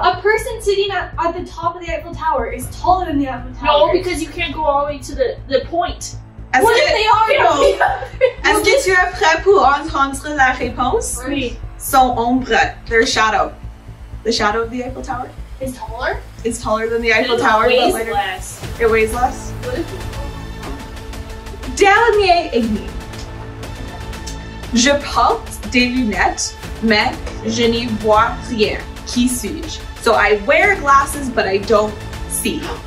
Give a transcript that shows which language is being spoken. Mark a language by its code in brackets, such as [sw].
[en] A person sitting at the top of the Eiffel Tower is taller than the Eiffel Tower. No, because you can't go all the way to the point. Est-ce what if they are? No. [fr] Est-ce que tu es prêt pour entendre la réponse? Oui. Son ombre, [en] their shadow. The shadow of the Eiffel Tower? Is taller? It's taller than the Eiffel it Tower. Weighs but less. It weighs less? [fr] Dernier ennemi. Je porte des lunettes, mais je n'y vois rien. Qui suis-je? [en] So I wear glasses, but I don't see.